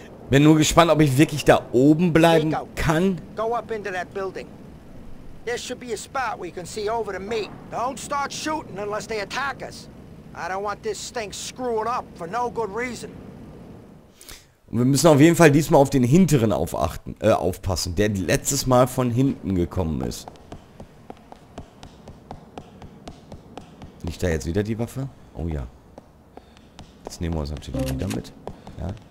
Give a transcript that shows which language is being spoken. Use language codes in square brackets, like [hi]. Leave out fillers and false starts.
[en] Bin nur gespannt, ob ich wirklich da oben bleiben kann. Go up into that building. There should be a spot where you can see over to me. Don't start shooting unless they attack us. I don't want this thing screwed up for no good reason. [de] Und wir müssen auf jeden Fall diesmal auf den hinteren aufpassen, der letztes Mal von hinten gekommen ist. Nicht da jetzt wieder die Waffe? Oh ja. Das nehmen wir uns natürlich wieder mit. Ja.